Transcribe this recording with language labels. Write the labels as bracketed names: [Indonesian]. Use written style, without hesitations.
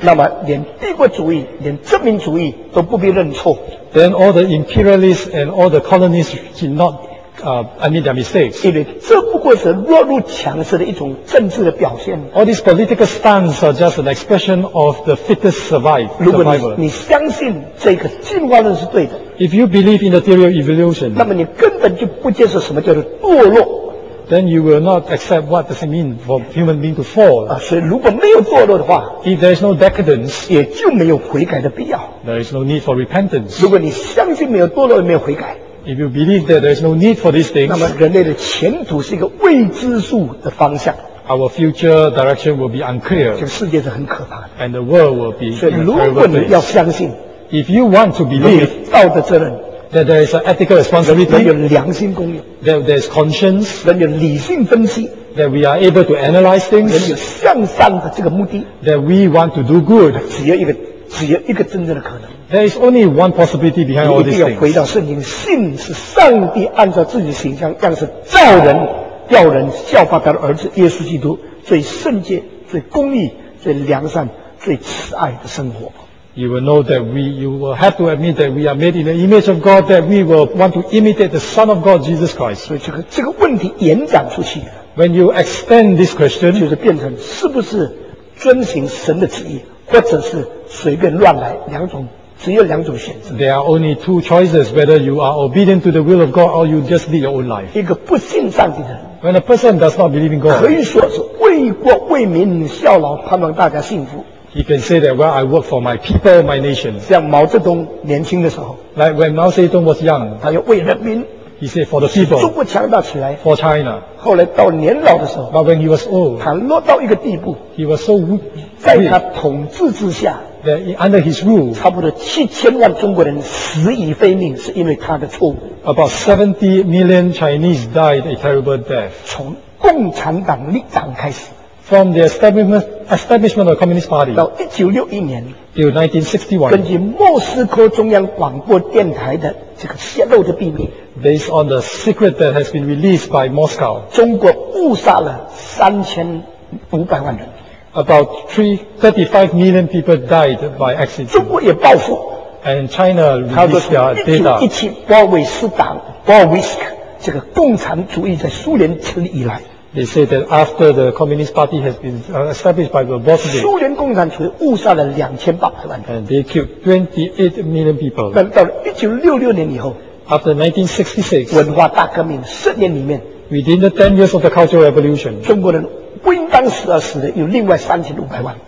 [Chinese] 那么连帝国主义、连殖民主义都不必认错。 [English] Then all the imperialists and all the colonists should not I mean their mistakes. [Chinese] 因为这不过是弱肉强食的一种政治的表现。 [English] All these political stance are just an expression of the fittest survive. [Chinese] 如果 你相信这个进化论是对的 [English] ，If you believe in the theory of evolution， [Chinese] 那么你根本就不接受什么叫做堕落。 [English] Then you will not accept what does it mean for human being to fall. [Chinese] 所以如果没有堕落的话 [English] ，If there is no decadence， [Chinese] 也就没有悔改的必要。 [English] There is no need for repentance. [Chinese] 如果你相信没有堕落，也没有悔改。 [English] If you believe that there is no need for these things, [Chinese] 那么人类的前途是一个未知数的方向。 [English] Our future direction will be unclear. [Chinese] 这个世界是很可怕的。 [English] And the world will be. [Chinese] 所以如果你要相信 [English] ，If you want to believe, [Chinese] 道德责任 [English] ，that there is an ethical responsibility, [Chinese] 人有良心公义 [English] ，that there is conscience, [Chinese] 人有理性分析 [English] ，that we are able to analyze things, [Chinese] 人有向善的这个目的 [English] ，that we want to do good, [Chinese] 只有一个真正的可能。 [English] There is only one possibility behind all these things. [Chinese] 你一定要回到圣经，信是上帝按照自己的形象样式造人，叫人效法他的儿子耶稣基督，最圣洁、最公义、最良善、最慈爱的生活。 [English] You will know that you will have to admit that we are made in the image of God, that we will want to imitate the Son of God, Jesus Christ. [Chinese] 所以这个问题延展出去。 [English] When you extend this question, [Chinese] 就是变成是不是遵循神的旨意，或者是随便乱来两种。只有两种选择。 [English] There are only two choices: whether you are obedient to the will of God, or you just lead your own life. [Chinese] 一个不信上帝的人。 [English] When a person does not believe in God, [Chinese] 可以说是为国为民效劳，盼望大家幸福。 [English] He can say that, well, I work for my people, my nation. [Chinese] 像毛泽东年轻的时候。 [English] Like when Mao Zedong was young, [Chinese] 他要为人民。 [English] He said for the people. [Chinese] 中国强大起来。 [English] For China. [Chinese] 后来到年老的时候。 [English] But when he was old, [Chinese] 他落到一个地步。 [English] He was so weak. [Chinese] 在他统治之下。 [English] That under his rule, [Chinese] 差不多7000万中国人死于非命，是因为他的错误。 [English] About 70 million Chinese died a terrible death. [Chinese] 从共产党立党开始。 [English] From the establishment of the Communist Party. [Chinese] 到1961年。 [English] Till 1961. [Chinese] 根据莫斯科中央广播电台的这个泄露的秘密。 [English] Based on the secret that has been released by Moscow. [Chinese] 中国误杀了3500万人。 [English] About 35 million people died by accident. [Chinese] 中国也报复。 [English] And China released their data. [Chinese] 1917鲍威斯党 Bolshevik 这个共产主义在苏联成立以来。 [English] They say that after the Communist Party has been established by the Bolsheviks. [Chinese] 苏联共产主义误杀了2800万。 [English] And they killed 28 million people. [Chinese] 但到了1966年以后。 [English] After 1966. [Chinese] 文化大革命十年里面。 [English] Within the 10 years of the Cultural Revolution. [Chinese] 中国人。不应当死而死的有另外3500万。